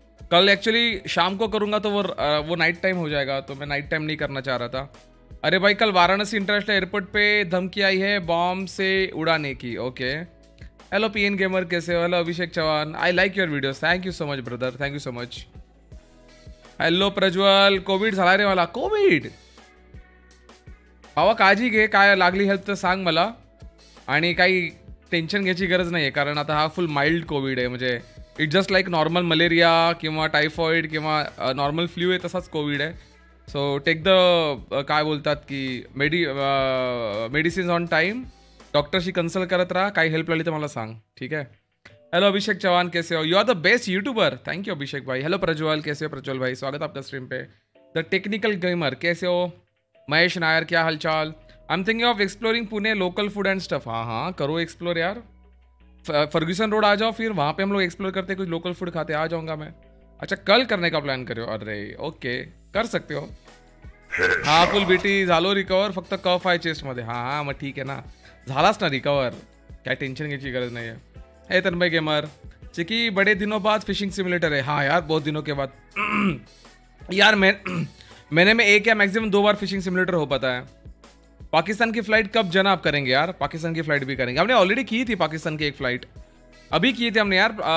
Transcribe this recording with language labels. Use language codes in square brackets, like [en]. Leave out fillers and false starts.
[hi] कल एक्चुअली शाम को करूँगा तो वो नाइट टाइम हो जाएगा तो मैं नाइट टाइम नहीं करना चाह रहा था. अरे भाई, कल वाराणसी इंटरनेशनल एयरपोर्ट पे धमकी आई है बॉम्ब से उड़ाने की. [en] okay, hello PN gamer, [hi] कैसे हो? [en] Hello Abhishek Chauhan, I like your videos, thank you so much brother, thank you so much. [mr] Hello Prajwal, Covid झाला रे मला, कोविड भावा काळजी घे, काय लागली हेल्प तर सांग मला, आणि काही टेन्शन घ्यायची गरज नाही आहे कारण आता हा फुल माइल्ड कोविड आहे, म्हणजे [en] it just like normal [mr] malaria किंवा टायफॉइड किंवा नॉर्मल फ्ल्यू आहे तसाच कोविड आहे. [en] so take the [mr] काय बोलतात की [en] medicines on time, [mr] डॉक्टरशी कन्सल्ट करत राहा, काही हेल्प लागली तर मला सांग, ठीक आहे. हॅलो अभिषेक चव्हाण, कसे हो? [en] You are the best YouTuber, thank you Abhishek भाई. [mr] हॅलो प्रज्वल, कसे हो प्रज्वल भाई, स्वागत आपल्या stream pay. [hi] द टेक्निकल गेमर, कसे हो? महेश नायर, क्या हालचाल? [en] I am thinking of exploring Pune local food and stuff. [hi] हां हां, करो एक्सप्लोर यार, फर्ग्युसन रोड आ जाओ, फिर वहां पे हम लोग एक्सप्लोर करते, कुछ लोकल फूड खाते, आ जाऊंगा मैं. अच्छा, कल करने का प्लान करो? अरे ओके, कर सकते हो. [mr] हां फुल बीटी झालो रिकवर, फक्त कफ आहे चेस्ट मध्ये. हां हां, मग ठीक आहे ना, झालास ना रिकवर, काय टेन्शन घ्यायची गरज नाही आहे. [hi] हे तन्मय गेमर, चिकी बडे दिनों बाद फिशिंग सिम्युलेटर है? हाँ यार, बहुत दिनों के बाद. यार मैंने में एक या मैक्सिमम दो बार फिशिंग सिम्युलेटर हो पाता है. पाकिस्तान की फ्लाइट कब जनाब करेंगे यार? पाकिस्तान की फ्लाइट भी करेंगे, हमने ऑलरेडी की थी पाकिस्तान की एक फ्लाइट, अभी की थी हमने यार.